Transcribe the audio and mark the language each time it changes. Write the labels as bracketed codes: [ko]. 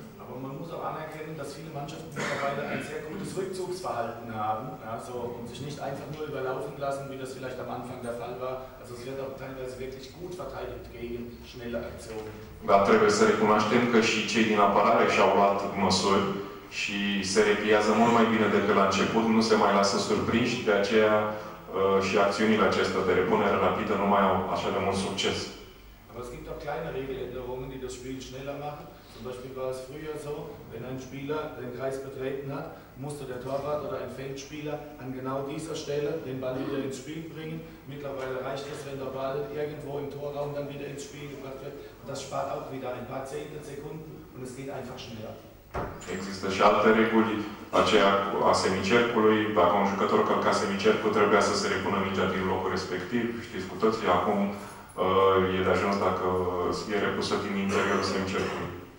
[de] Aber man muss auch anerkennen, dass viele Mannschaften mittlerweile ein sehr gutes Rückzugsverhalten haben, ja, so, und sich nicht einfach nur überlaufen lassen, wie das vielleicht am Anfang der Fall war. Also es wird auch teilweise wirklich gut verteidigt gegen schnelle Aktionen. [ro] Dar trebuie să recunoaștem că și cei din apărare și-au luat măsuri și se repliază mult mai bine decât la început, nu se mai lasă surprinși, de aceea și acțiunile acestea de repunere rapidă nu mai au așa de mult succes. [de] Aber es gibt auch kleine Regeländerungen, die das Spiel schneller machen. Zum Beispiel war es früher so, wenn ein Spieler den Kreis betreten hat, musste der Torwart oder ein Feldspieler an genau dieser Stelle den Ball wieder ins Spiel bringen. Mittlerweile reicht es, wenn der Ball irgendwo im Torraum dann wieder ins Spiel gebracht wird. Und das spart auch wieder ein paar Zehntelsekunden und es geht einfach schneller. [ro] Există și alte reguli, aceea a semicercului, dacă un jucător călca semicercul, trebuia să se repună mingea din locul respectiv, știți cu toții, acum e de ajuns dacă e repusă din interiorul semicercului.